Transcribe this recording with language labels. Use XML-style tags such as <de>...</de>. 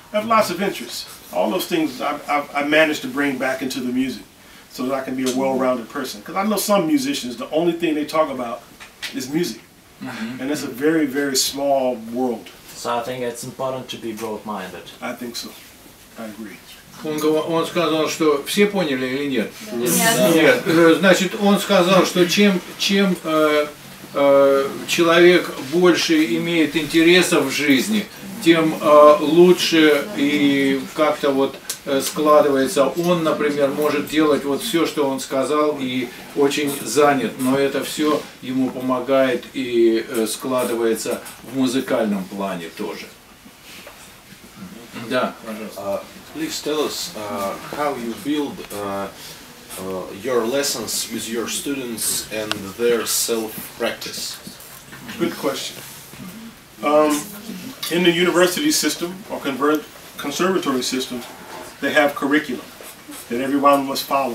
<en>I have lots of interests. All those things I managed to bring back into the music so that I can be a well-rounded person. Because I know some musicians, the only thing they talk about is music. Mm-hmm. And it's a very, very small world. So I think it's important to be broad-minded. I think so. I agree.</en> <ru>Он сказал, что все поняли или нет? Нет. Значит, он сказал, что чем человек больше имеет интересов в жизни, тем лучше и как-то вот складывается. Он, например, может делать вот все, что он сказал, и очень занят, но это все ему помогает и складывается в музыкальном плане тоже. Да, пожалуйста.</ru> <en>Please tell us how you build your lessons with your students and their self-practice. Good question. In the university system or conservatory system, they have curriculum that everyone must follow.</en>